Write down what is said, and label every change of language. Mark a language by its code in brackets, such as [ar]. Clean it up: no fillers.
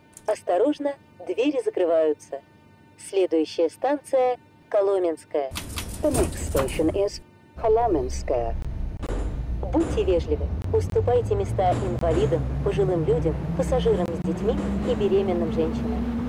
[ru] Осторожно, двери закрываются. Следующая станция – Коломенская. [en] The next station is Коломенская. [ru] Будьте вежливы, уступайте места инвалидам, пожилым людям, пассажирам с детьми и беременным женщинам.